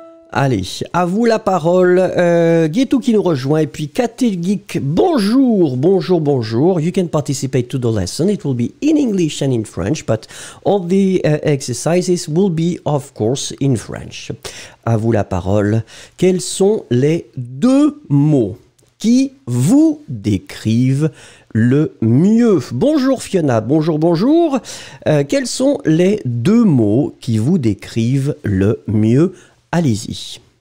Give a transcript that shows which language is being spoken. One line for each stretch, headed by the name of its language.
French: Allez, à vous la parole, Guitou qui nous rejoint, et puis Katil Geek, bonjour, bonjour, bonjour.
English: You can participate to the lesson, it will be in English and in French, but all the exercises will be, of course, in French.
French: À vous la parole, quels sont les deux mots qui vous décrivent le mieux? Bonjour Fiona, bonjour, bonjour. Quels sont les deux mots qui vous décrivent le mieux? Allez-y.